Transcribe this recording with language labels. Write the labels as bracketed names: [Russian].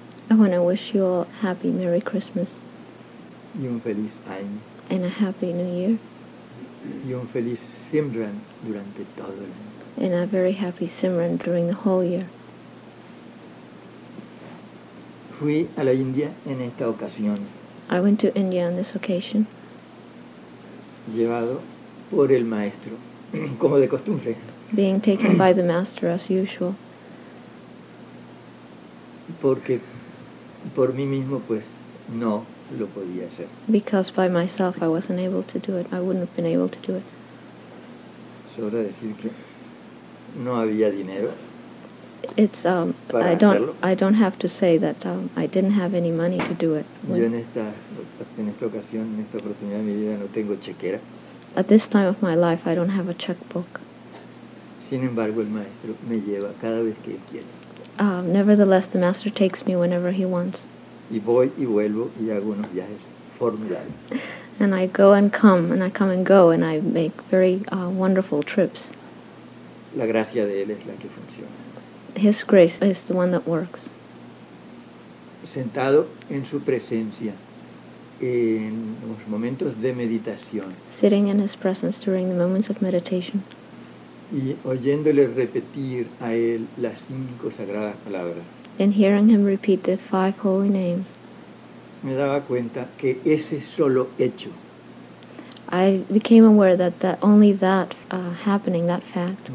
[English] I want to wish you all a happy Merry Christmas. [Spanish] Y un feliz año. [English] And a happy new year. [Spanish] Y un feliz Simran durante todo el año. [English] And a very happy Simran during the whole year. [Spanish] Fui a la India en esta ocasión. [English] I went to India on this occasion. [Spanish] Llevado por el maestro, como de costumbre. [English] Being taken by the master as usual. [Spanish] Porque por mí mismo, pues, no lo podía hacer. [English] Because by myself I wasn't able to do it. I wouldn't have been able to do it. [Spanish] Sobra decir que no había dinero. [English] It's I don't have to say that I didn't have any money to do it. [Spanish] Yo en esta ocasión, en esta oportunidad de mi vida, no tengo chequera. [English] At this time of my life, I don't have a checkbook. [Spanish] Sin embargo, el maestro me lleva cada vez que él quiere. [English] Nevertheless, the master takes me whenever he wants. [Spanish] Y voy y vuelvo y hago unos viajes formidables. [English] And I go and come, and I come and go, and I make very wonderful trips. [Spanish] La gracia de él es la que funciona. [English] His grace is the one that works. [Spanish] Sentado en su presencia, en los momentos de meditación. [English] Sitting in his presence during the moments of meditation. [Spanish] Y oyéndole repetir a él las cinco sagradas palabras. [English] And hearing him repeat the five holy names. [Spanish] Me daba cuenta que ese solo hecho. [English] I became aware that only that happening, that fact.